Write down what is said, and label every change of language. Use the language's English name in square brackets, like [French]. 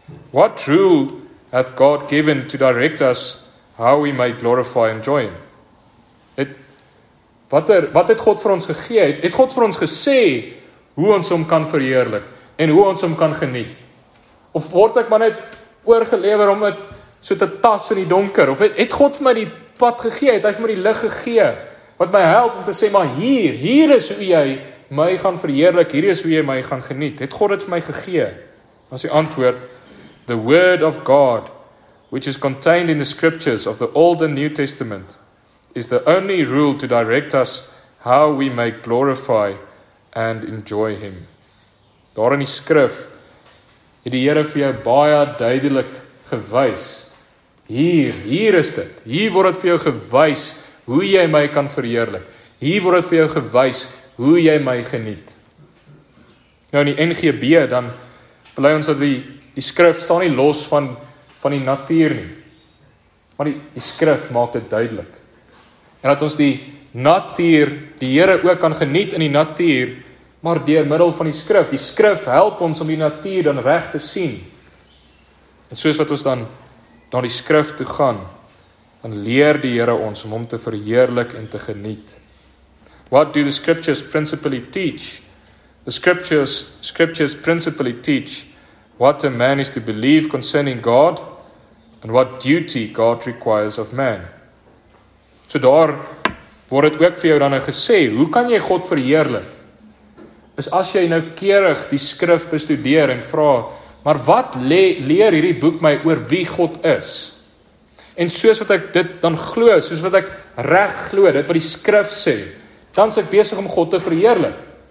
[English] What rule hath God given to direct us how we may glorify and joy him? [Afrikaans] Wat het God vir ons gegee? Het God vir ons gesê hoe ons hom kan verheerlik en hoe ons hom kan geniet? Of word ek maar net oorgelewer om het so te tas in die donker? Of het God vir my die pad gegee? Het hy vir my die lig gegee? Wat my help om te sê, maar hier is hoe jy my gaan verheerlik, hier is hoe jy my gaan geniet. Het God het vir my gegee? Was die antwoord, [English] the word of God, which is contained in the scriptures of the Old and New Testament, is the only rule to direct us how we may glorify and enjoy him. [Afrikaans] Daar in die skrif het die Here vir jou baie duidelik gewys. Hier is dit. Hier word dit vir jou gewys hoe jy my kan verheerlik. Hier word dit vir jou gewys hoe jy my geniet. Nou in die NGB dan bly ons dat die skrif staan nie los van die natuur nie. Maar die skrif maak dit duidelik. En dat ons die natuur, die Here ook kan geniet in die natuur, maar deur middel van die skrif. Die skrif help ons om die natuur dan reg te sien. En soos wat ons dan na die skrif toe gaan, dan leer die Here ons om hom te verheerlik en te geniet. [English] What do the scriptures principally teach? The scriptures principally teach what a man is to believe concerning God and what duty God requires of man. [Afrikaans] So daar word het ook vir jou dan gesê, hoe kan jy God verheerlik? Is as jy nou keurig die skrif bestudeer en vra, maar wat leer hierdie boek my oor wie God is? En soos wat ek dit dan glo, soos wat ek reg glo, dit wat die skrif sê, dan is ek besig om God te verheerlik.